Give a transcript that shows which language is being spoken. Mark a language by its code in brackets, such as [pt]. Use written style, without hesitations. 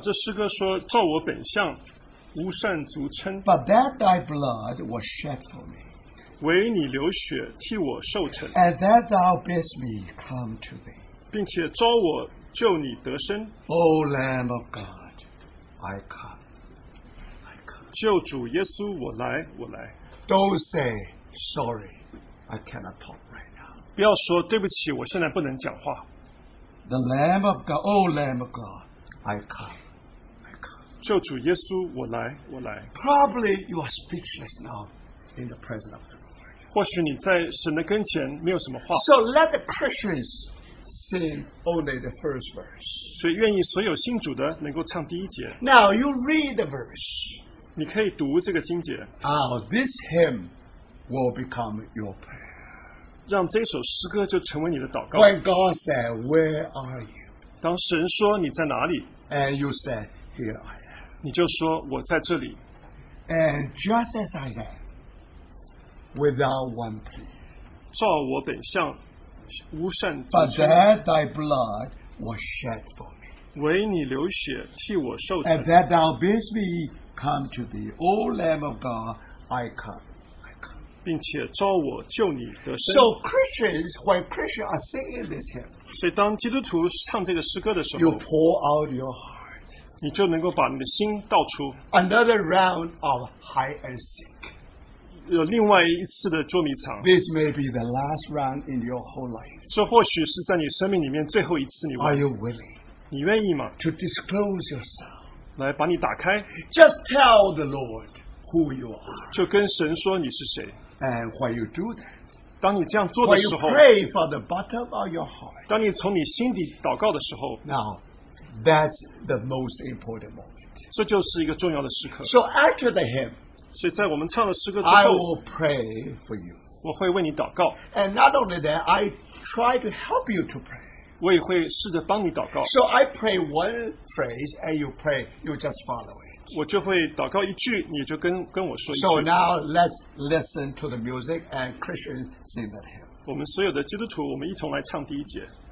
[zh] 这诗歌说，照我本相，无善足称。 [en] But that thy blood was shed for me. [zh] 唯你流血替我受成。 [en] And that thou bidst me come to thee. [zh] 并且召我救你得生。 [en] O Lamb of God, I come. [zh] 救主耶稣，我来，我来。 [en] Don't say sorry, I cannot talk right now. [zh] 不要说对不起，我现在不能讲话。 [en] The Lamb of God, oh Lamb of God, I come, I come. [zh] 救主耶稣，我来，我来。 [en] Probably you are speechless now in the presence of the Lord. [zh] 或许你在神的跟前没有什么话。 [en] So let the Christians sing only the first verse. [zh] 所以愿意所有信主的能够唱第一节。 [en] Now you read the verse. [zh] 你可以读这个经节。 [en] This hymn will become your prayer. [zh] 让这首诗歌就成为你的祷告。 [en] When God said, "Where are you?" [zh] 当神说你在哪里 [en] ？And you said, "Here I am." [zh] 你就说我在这里。 [en] And just as I am, without one plea. [zh] 照我本相，无善。 [en] But that thy blood was shed for me. [zh] 为你流血替我受成。 [en] And that thou bidst me. Come to thee, O Lamb of God, I come, I come. [zh] 并且召我救你得生。 [en] So Christians, when Christians are singing this hymn, [zh] 所以当基督徒唱这个诗歌的时候 [en] you pour out your heart. [zh] 你就能够把你的心倒出。 [en] Another round of hide and seek. [zh] 有另外一次的捉迷藏。 [en] This may be the last round in your whole life. [zh] 这或许是在你生命里面最后一次。 [en] Are you willing? [zh] 你愿意吗 [en] ？To disclose yourself. [zh] 来把你打开 [en] Just tell the Lord who you are. [zh] 就跟神说你是谁 [en] And when you do that, [zh] 当你这样做的时候 [en] When you pray from the bottom of your heart, [zh] 当你从你心底祷告的时候 [en] Now, that's the most important moment. [zh] 这就是一个重要的时刻 [en] So after the hymn, [zh] 所以在我们唱了诗歌之后 [en] I will pray for you. [zh] 我会为你祷告 [en] And not only that, I try to help you to pray. [zh] 我也会试着帮你祷告。 [en] So I pray one phrase, and you pray, you just follow it. [zh] 我就会祷告一句，你就跟我说一句。 [en] So now let's listen to the music and Christians sing that hymn. [zh] 我们所有的基督徒，我们一同来唱第一节。